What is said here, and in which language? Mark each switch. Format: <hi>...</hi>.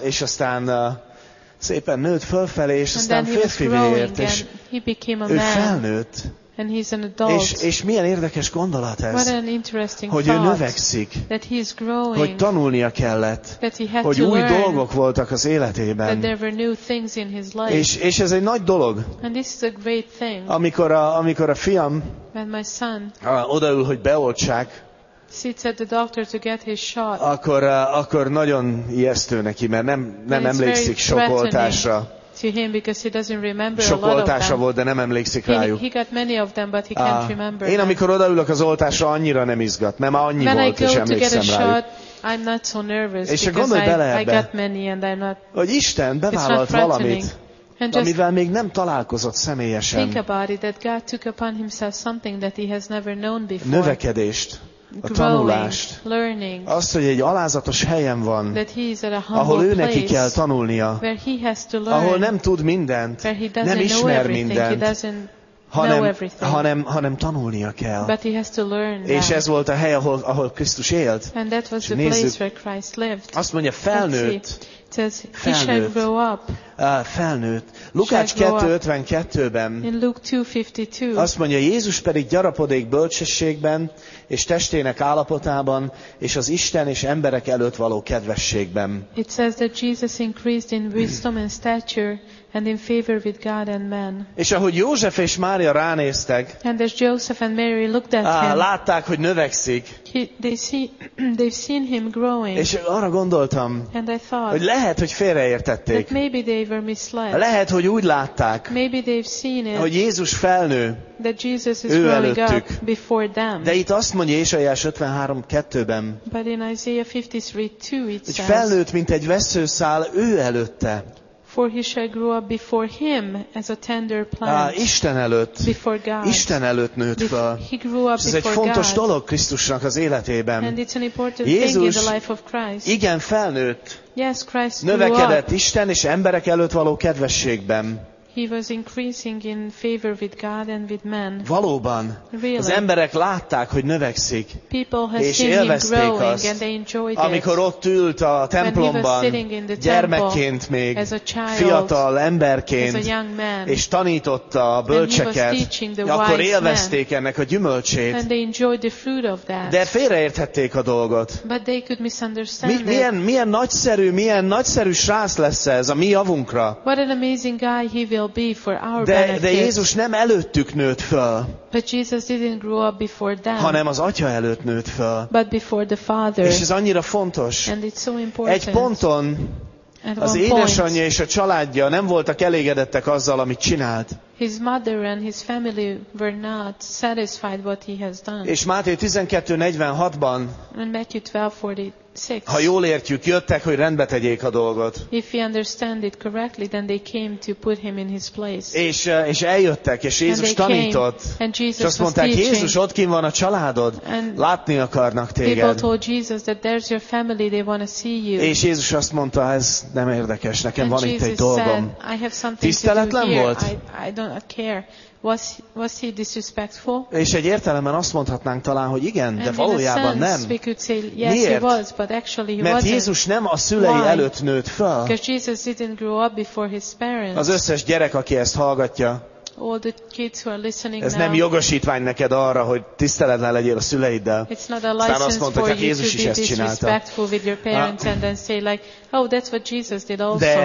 <hu>És aztán szépen nőtt fölfelé, és aztán férfivé ért, és ő felnőtt.</hu> <en>And he's an adult.</en> <hu>És milyen érdekes gondolat ez,</hu> <en>what an interesting</en> <hu>hogy</hu> <en>thought,</en> <hu>ő növekszik,</hu> <en>that he is growing,</en> <hu>hogy tanulnia kellett,</hu> <en>that he had</en> <hu>hogy</hu> <en>to</en> <hu>új</hu> <en>learn,</en> <hu>dolgok voltak az életében.</hu> <en>That there were new things in his life.</en> <hu>És ez egy nagy dolog,</hu> <en>and this is a great thing,</en> <hu>amikor a fiam</hu> <en>when my son,</en> <hu>odaül, hogy beoltsák,</hu> <en>sits at the doctor to get his shot,</en> <hu>akkor nagyon ijesztő neki, mert nem emlékszik sok oltásra.</hu> <en>To him because he doesn't remember</en> <hu>sok</hu> <en>a lot</en> <hu>oltása</hu> <en>of them.</en> <hu>Volt, de nem emlékszik rájuk.</hu> <en>He got many of them, but he can't remember.</en> <hu>Én amikor odaülök az oltásra, annyira nem izgat, mert már annyi</hu> <en>when</en> <hu>volt, és emlékszem rájuk.</hu> <en>Shot, I'm not so nervous.</en> <hu>És csak gondolj bele ebbe, hogy Isten bevállalt valamit, amivel még nem találkozott személyesen.</hu> <en>Think about it, that God took upon himself something that he has never known before.</en> <hu>Növekedést. A tanulást.</hu> <en>Growing,</en> <hu>azt, hogy egy alázatos helyen van,</hu> <en>that he is at a humble</en> <hu>ahol ő neki kell tanulnia,</hu> <en>where he has to learn,</en> <hu>ahol nem tud mindent,</hu> <en>where he</en> <hu>nem ismer</hu> <en>know</en> <hu>mindent,</hu> <en>he know</en> <hu>hanem tanulnia kell.</hu> <en>But he has to learn.</en> <hu>És ez volt a hely, ahol Krisztus élt.</hu> <en>And that was the</en> <hu>nézzük,</hu> <en>place where Christ lived.</en> <hu>Azt mondja, felnőtt.</hu> <en>Says, he shall grow up.</en> <hu>Felnőtt. Lukács 2:52-ben azt mondja, Jézus pedig gyarapodék bölcsességben és testének állapotában és az Isten és emberek előtt való kedvességben.</hu> <en>It says that Jesus increased in wisdom and stature and in favor with God and men.</en> <hu>És ahogy József és Mária ránéztek,</hu> <en>and as Joseph and Mary looked at him,</en> <hu>látták, hogy növekszik.</hu> <en>They've seen him growing.</en> <hu>És arra gondoltam,</hu> <en>and I thought,</en> <hu>hogy lehet, hogy félreértették.</hu> <en>That maybe they were misled.</en> <hu>Lehet, hogy úgy látták,</hu> <en>maybe they've seen it,</en> <hu>hogy Jézus felnő,</hu> <en>that Jesus is</en> <hu>ő</hu> <en>growing</en> <hu>előttük.</hu> <en>Up before them.</en> <hu>De itt azt mondja Ésaiás 53:2-ben,</hu> <en>but in Isaiah 53:2 it says,</en> <hu>hogy felnőtt, mint egy veszőszál ő előtte.</hu> <en>For he shall grow up before him as a tender plant.</en> <hu>Isten előtt.</hu> <en>Before God.</en> <hu>Isten előtt nőtt fel.</hu> <en>He grew up</en> <hu>és ez egy fontos</hu> <en>God.</en> <hu>Dolog Krisztusnak az életében.</hu> <en>And it's an important</en> <hu>Jézus,</hu> <en>thing in the life of Christ.</en> <hu>Igen, felnőtt.</hu> <en>Yes, Christ</en> <hu>növekedett</hu> <en>grew up.</en> <hu>Isten és emberek előtt való kedvességben.</hu> <en>He was increasing in favor with God and with men.</en> <hu>Valóban.</hu> <en>Really.</en> <hu>Az emberek látták, hogy növekszik.</hu> <en>People have seen him growing</en> <hu>azt,</hu> <en>and they enjoyed</en> <hu>amikor</hu> <en>it.</en> <hu>Amikor ott ült a templomban, gyermekként még,</hu> <en>as a child,</en> <hu>fiatal emberként,</hu> <en>as a young man,</en> <hu>és tanította a bölcseket, akkor élvezték</hu> <en>men.</en> <hu>Ennek a gyümölcsét.</hu> <en>And they enjoyed the fruit of that.</en> <hu>De félreértették a dolgot.</hu> <en>But they could misunderstand it.</en> <hu>Milyen nagyszerű srác lesz ez a mi javunkra.</hu> <en>What an amazing guy he will be for our benefit.</en> <hu>De Jézus nem előttük nőtt föl.</hu> <en>But Jesus didn't grow up before them.</en> <hu>Hanem az Atya előtt nőtt föl.</hu> <en>But before the Father.</en> <hu>És ez annyira fontos.</hu> <en>And it's so important.</en> <hu>Egy ponton az édesanyja és a családja nem voltak elégedettek azzal, amit csinált.</hu> <en>His mother and his family were not satisfied what he has done.</en> <hu>És Máté 12:46-ban.</hu> <en>And Matthew 12:46.</en> <hu>Ha jól értjük, jöttek, hogy rendbe tegyék a dolgot.</hu> <en>If you understand it correctly, then they came to put him in his place.</en> <hu>És eljöttek, és Jézus tanított. És azt mondták, Jézus, ott kint van a családod, látni akarnak téged.</hu> <en>People told Jesus that there's your family, they want to see you.</en> <hu>És Jézus azt mondta, ez nem érdekes, nekem van itt egy dolgom.</hu> <en>I have something to do.</en> <hu>Tiszteletlen volt?</hu> <en>I don't care. Was he disrespectful?</en> <hu>És egy értelemben azt mondhatnánk talán, hogy igen, de</hu> <en>and</en> <hu>valójában nem.</hu> <en>We could say, yes,</en> <hu>miért?</hu> <en>He was, but actually he</en> <hu>mert</hu> <en>wasn't.</en> <hu>Jézus nem a szülei</hu> <en>why?</en> <hu>Előtt nőtt fel.</hu> <en>Because Jesus didn't grow up before his parents.</en> <hu>Az összes gyerek, aki ezt hallgatja,</hu> <en>all the kids who are listening</en> <hu>ez</hu> <en>now,</en> <hu>nem jogosítvány neked arra, hogy tiszteletlen legyél a szüleiddel.</hu> <en>It's not a license</en> <hu>azt mondta,</hu> <en>for you</en> <hu>Jézus</hu> <en>to be disrespectful with your parents and then say like, oh, that's what Jesus did also.</en>